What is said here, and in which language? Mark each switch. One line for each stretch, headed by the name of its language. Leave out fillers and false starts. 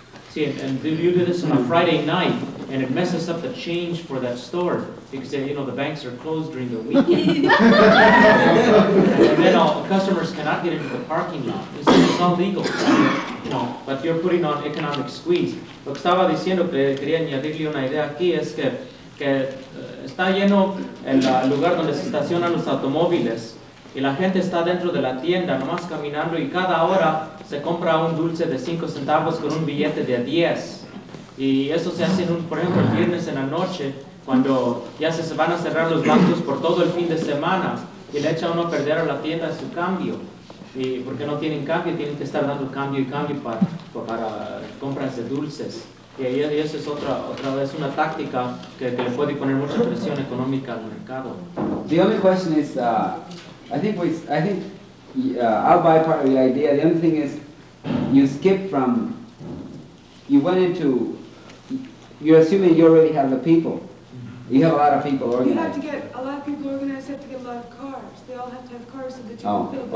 English: See, and you do this on a Friday night, and it messes up the change for that store because, you know, the banks are closed during the weekend. And then all customers cannot get into the parking lot. It's not legal, you know, but you're putting on economic squeeze.
Spanish: Lo que estaba diciendo, quería añadirle una idea aquí, es que está lleno el lugar donde se estacionan los automóviles, y la gente está dentro de la tienda, nomás caminando, y cada hora se compra un dulce de 5 centavos con un billete de 10. Y eso se hace, por ejemplo, el viernes en la noche, cuando ya se van a cerrar los bancos por todo el fin de semana, y le echa uno a perder a la tienda su cambio. Y porque no tienen cambio, tienen que estar dando cambio y cambio para compras de dulces. Y eso es otra vez una táctica que le puede poner mucha presión económica al mercado.
English: The only question is, I'll buy part of the idea. The only thing is, you're assuming you already have the people. You have a lot of people organized. You have to get a lot of people organized. You have to get a lot of cars. They all have to have cars so that you can build the